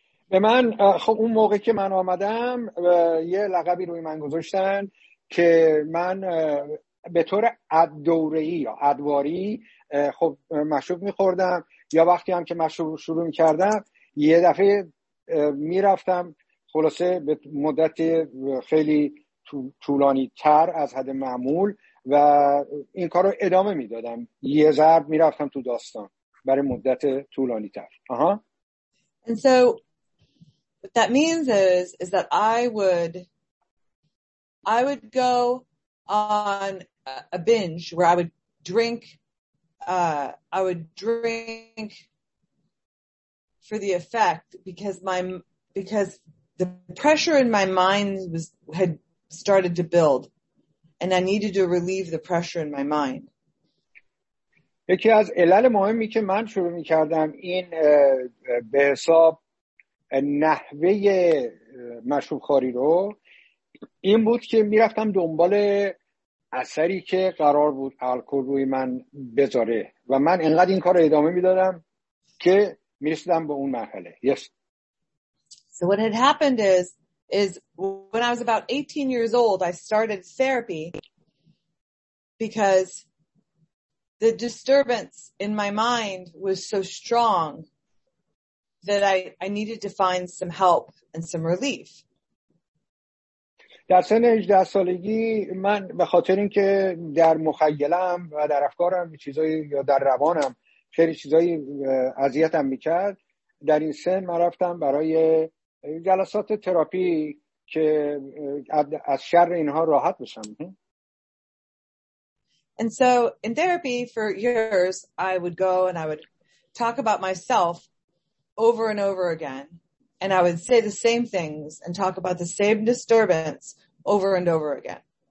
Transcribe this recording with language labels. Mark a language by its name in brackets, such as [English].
[Persian] به من خب اون موقع که من آمدم یه لقبی روی من گذاشتن که من به طور دوره‌ای یا ادواری خب مشروب می‌خوردم، یا وقتی هم که مشروب شروع می‌کردم یه دفعه می‌رفتم، خلاصه به مدت خیلی طولانی‌تر از حد معمول، و این کارو ادامه می‌دادم، یه ضرب می‌رفتم تو داستان برای مدت طولانی‌تر. آها. [English] What that means is that I would go on a binge where I would drink for the effect, because the pressure in my mind had started to build and I needed to relieve the pressure in my mind. [Persian] یکی از علل مهمی که من شروع می‌کردم این به حساب نحوه مشروب خوری رو این بود که میرفتم دنبال اثری که قرار بود الکل روی من بذاره و من انقدر این کار رو ادامه میدادم که میرسیدم به اون مرحله. [English] Yes. So what had happened is when I was about 18 years old, I started therapy because the disturbance in my mind was so strong that I needed to find some help and some relief. [Persian] در سن 18 سالگی من به خاطر اینکه در مخیلم و در افکارم چیزایی یا در روانم خیلی چیزایی اذیتم میکرد، در این سن من رفتم برای جلسات تراپی که از شر اینها راحت بشم. [English] And so in therapy for years I would go and I would talk about myself over and over again and I would say the same things and talk about the same disturbance over and over again.